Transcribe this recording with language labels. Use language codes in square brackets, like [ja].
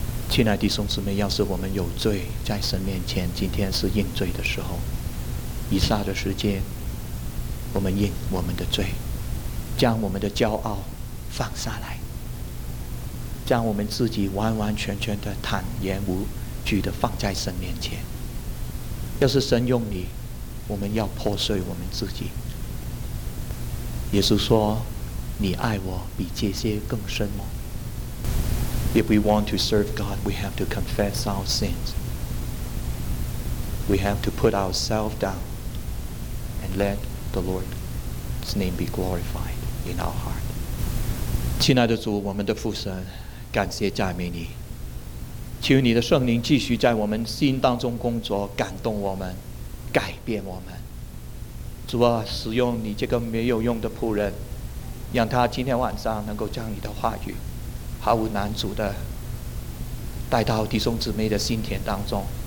[zh] 亲爱的弟兄姊妹，要是我们有罪在神面前，今天是认罪的时候，以下的时间我们认我们的罪，将我们的骄傲放下来，将我们自己完完全全的坦言无惧的放在神面前。要是神用你，我们要破碎我们自己。耶稣说，你爱我比这些更深吗？ [en] If we want to serve God, we have to confess our sins. We have to put ourselves down and let the Lord's name be glorified in our heart. [zh] 亲爱的主，我们的父神，感谢赞美你，求你的圣灵继续在我们心当中工作，感动我们，改变我们。主啊，使用你这个没有用的仆人，让他今天晚上能够将你的话语毫无难阻地带到弟兄姊妹的心田当中。